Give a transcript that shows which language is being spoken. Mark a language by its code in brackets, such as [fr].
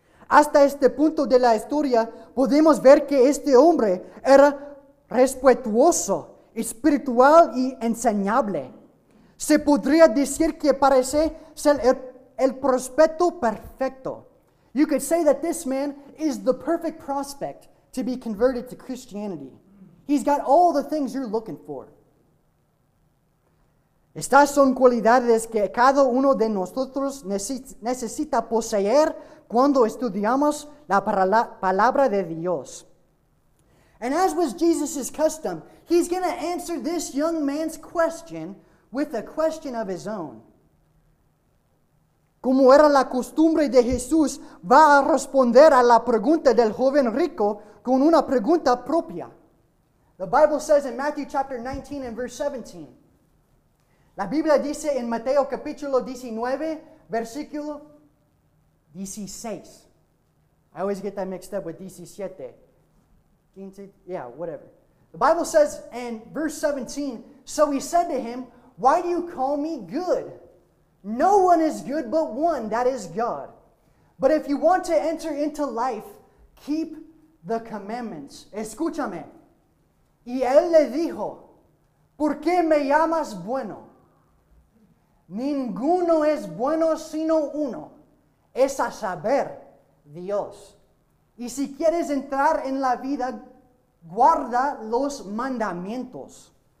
[es] Hasta este punto de la historia, podemos ver que este hombre era respetuoso, espiritual y enseñable. Se podría decir que parece ser el prospecto perfecto. [en] You could say that this man is the perfect prospect to be converted to Christianity. He's got all the things you're looking for. [es] Estas son cualidades que cada uno de nosotros necesita poseer cuando estudiamos la palabra de Dios. [en] And as was Jesus' custom, he's going to answer this young man's question with a question of his own. [es] Como era la costumbre de Jesús, va a responder a la pregunta del joven rico con una pregunta propia. [en] The Bible says in Matthew chapter 19 and verse 17. [es] La Biblia dice en Mateo capítulo 19, versículo 16. [en] I always get that mixed up with 17. 15, yeah, whatever. The Bible says in verse 17, so he said to him, why do you call me good? No one is good but one, that is God. But if you want to enter into life, keep the commandments. [es] Escúchame. Y él le dijo, ¿por qué me llamas bueno? Ninguno es bueno sino uno, es a saber, Dios. Y si quieres entrar en la vida, guarda los mandamientos.